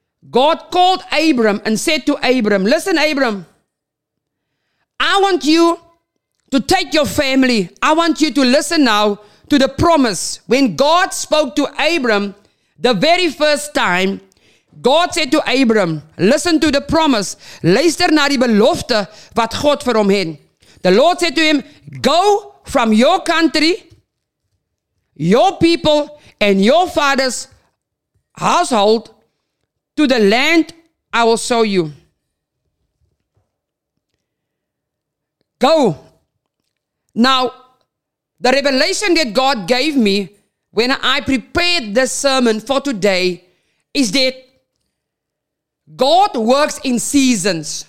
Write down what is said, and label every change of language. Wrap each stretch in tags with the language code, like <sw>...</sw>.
<en>God called Abram and said to Abram, listen, Abram, I want you to take your family. I want you to listen now to the promise. When God spoke to Abram the very first time, God said to Abram, listen to the promise.</en> <af>Luister na die belofte wat God vir hom het.</af> <en>The Lord said to him, go from your country, your people, and your father's household to the land I will show you. Go. Now, the revelation that God gave me when I prepared this sermon for today is that God works in seasons.</en>